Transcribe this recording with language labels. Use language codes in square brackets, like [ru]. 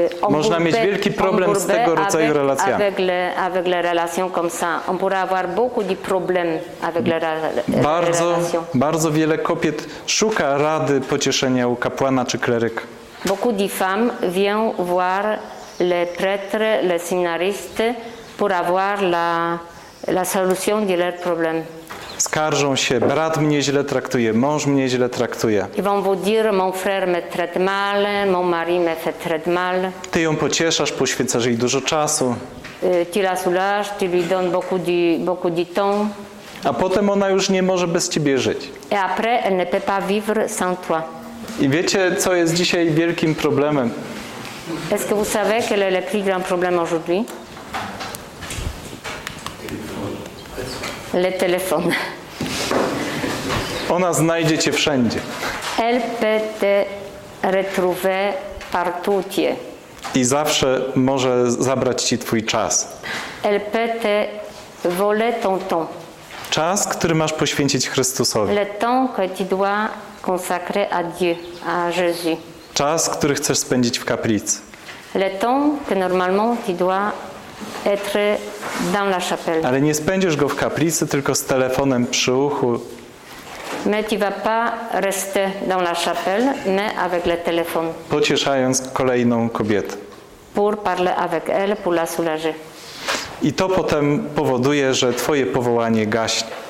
[pl] można mieć wielki problem z tego rodzaju relacjami. [fr] Avec les relations comme ça, on pourrait avoir beaucoup de problèmes avec les relations. [pl] Bardzo wiele kobiet szuka rady pocieszenia u kapłana czy kleryka. [fr] Beaucoup de femmes viennent voir les prêtres, les séminaristes pour avoir la solution de leurs problèmes. [pl] Skarżą się, brat mnie źle traktuje, mąż mnie źle traktuje. [fr] Ils vont vous dire, mon frère me traite mal, mon mari me fait traite mal. [pl] Ty ją pocieszasz, poświęcasz jej dużo czasu. [fr] Tu la soulages, tu lui donnes beaucoup de temps. [pl] A potem ona już nie może bez ciebie żyć. [fr] Et après, elle ne peut pas vivre sans toi. [pl] I wiecie, co jest dzisiaj wielkim problemem? [fr] Est-ce que vous savez quel est le plus grand problème aujourd'hui? Le téléphone. [pl] Ona znajdzie cię wszędzie. [fr] Elle peut te retrouver partout. [pl] I zawsze może zabrać ci twój czas. [fr] Elle peut te voler ton temps. [pl] Czas, który masz poświęcić Chrystusowi. [fr] Le temps que tu dois consacrer à Dieu, à Jésus. [pl] Czas, który chcesz spędzić w kaplicy. [fr] Le temps que normalement tu dois être dans la chapelle. [pl] Ale nie spędzisz go w kaplicy, tylko z telefonem przy uchu. [fr] Mais tu vas pas rester dans la chapelle, mais avec le téléphone. [pl] Pocieszając kolejną kobietę. [fr] Pour parler avec elle, pour la soulager. [pl] I to potem powoduje, że twoje powołanie gaśnie.